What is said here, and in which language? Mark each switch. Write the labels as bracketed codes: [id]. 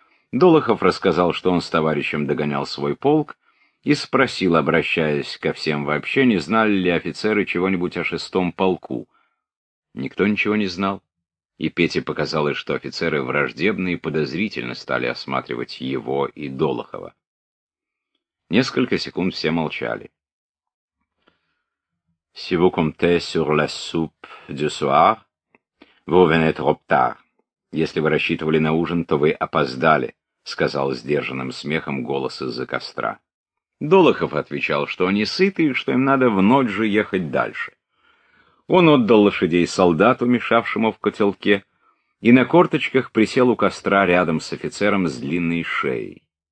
[ru] Долохов рассказал, что он с товарищем догонял свой полк, и спросил, обращаясь ко всем вообще, не знали ли офицеры чего-нибудь о 6-м полку. Никто ничего не знал, и Пете показалось, что офицеры враждебно и подозрительно стали осматривать его и Долохова. Несколько секунд все молчали. [fr] «Si vous comptez sur la soupe du soir, vous venez trop tard. [ru] Если вы рассчитывали на ужин, то вы опоздали», — сказал сдержанным смехом голос из-за костра. Долохов отвечал, что они сыты и что им надо в ночь же ехать дальше. Он отдал лошадей солдату, мешавшему в котелке, и на корточках присел у костра рядом с офицером с длинной шеей.